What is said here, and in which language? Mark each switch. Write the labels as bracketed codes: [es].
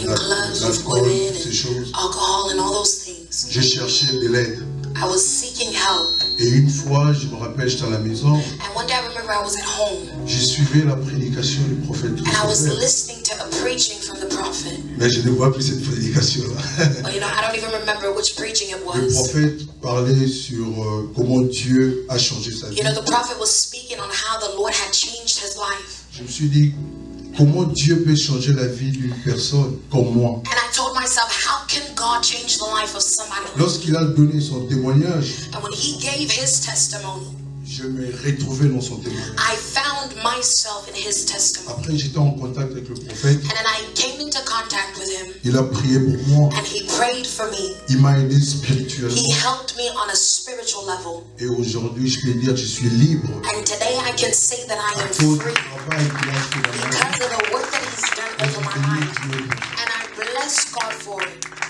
[fr] l'alcool, ces choses, [en] alcohol and all those things. [fr] Je cherchais de l'aide. [en] I was seeking help. [fr] Et une fois, je me rappelle, j'étais à la maison. [en] And one day I remember I was at home. [fr] Je suivais la prédication du prophète. [en] And I was listening to a preaching from the prophet. [fr] Mais je ne vois plus cette prédication. [en] Well, you know, I don't even remember which preaching it was. [fr] Le prophète parlait sur comment Dieu a changé sa vie. [en] You know, the prophet was speaking on how the Lord had changed his life. [fr] Je me suis dit, comment Dieu peut changer la vie d'une personne comme moi? [en] And I told myself, how can God change the life of somebody? [fr] Lorsqu'il a donné son témoignage, [en] and when he gave his testimony, [fr] je me retrouvais dans son témoignage. [en] I found myself in his testimony. [fr] Après, j'étais en contact avec le prophète. [en] And then I came into contact with him. [fr] Il a prié pour moi. [en] And he prayed for me. [fr] Il m'a aidé spirituellement. [en] He helped me on a spiritual level. [fr] Et aujourd'hui, je peux dire que je suis libre. [en] And today I can say that I am free. Because of the work that he's done over my life. And I bless God for it.